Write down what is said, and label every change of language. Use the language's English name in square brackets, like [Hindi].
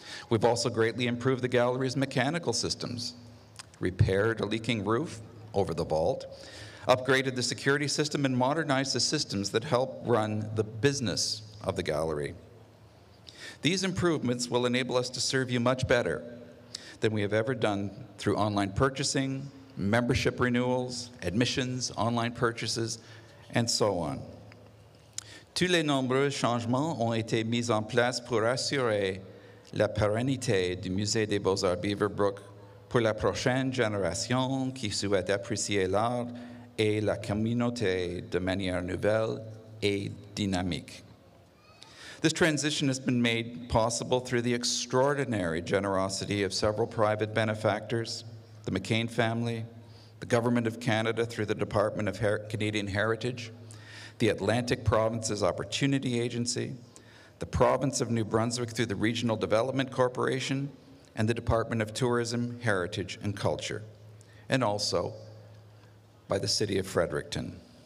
[English] We've also greatly improved the gallery's mechanical systems, repaired a leaking roof over the vault, upgraded the security system, and modernized the systems that help run the business of the gallery. These improvements will enable us to serve you much better than we have ever done through online purchasing, membership renewals, admissions, online purchases, and so on. [French] Tous les nombreux changements ont été mis en place pour assurer la pérennité du Musée des Beaux-Arts Beaverbrook pour la prochaine génération qui souhaite apprécier l'art et la communauté de manière nouvelle et dynamique. [English] This transition has been made possible through the extraordinary generosity of several private benefactors, the McCain family, the Government of Canada through the Department of Canadian Heritage, the Atlantic Provinces Opportunity Agency, the Province of New Brunswick through the Regional Development Corporation, and the Department of Tourism, Heritage, and Culture, and also by the City of Fredericton.